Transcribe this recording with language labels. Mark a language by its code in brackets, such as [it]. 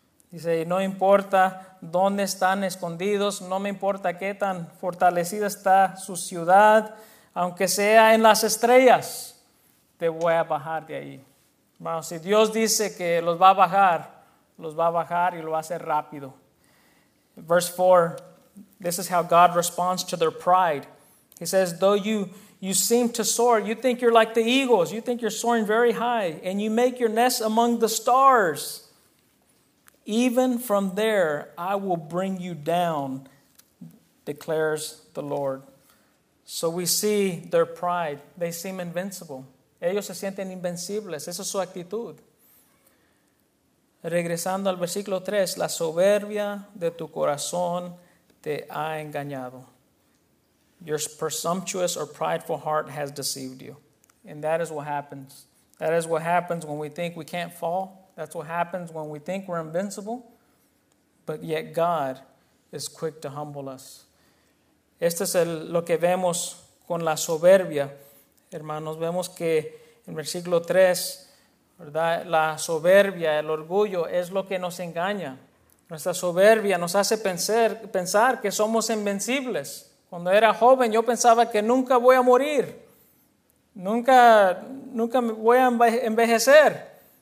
[es] Dice, no importa dónde están escondidos, no me importa qué tan fortalecida está su ciudad, aunque sea en las estrellas, te voy a bajar de ahí. Bueno, si Dios dice que los va a bajar y lo va a hacer rápido. [en] Verse 4, this is how God responds to their pride. He says, though you seem to soar, you think you're like the eagles, you think you're soaring very high, and you make your nest among the stars, even from there I will bring you down, declares the Lord. So we see their pride. They seem invincible. [es] Ellos se sienten invencibles. Esa es su actitud. Regresando al versículo 3, la soberbia de tu corazón te ha engañado. [en] Your presumptuous or prideful heart has deceived you. And that is what happens. That is what happens when we think we can't fall. That's what happens when we think we're invincible. But yet God is quick to humble us. [es] Este es lo que vemos con la soberbia. Hermanos, vemos que en versículo 3, ¿verdad? La soberbia, el orgullo es lo que nos engaña. Nuestra soberbia nos hace pensar que somos invencibles. Cuando era joven yo pensaba que nunca voy a morir. Nunca voy a envejecer.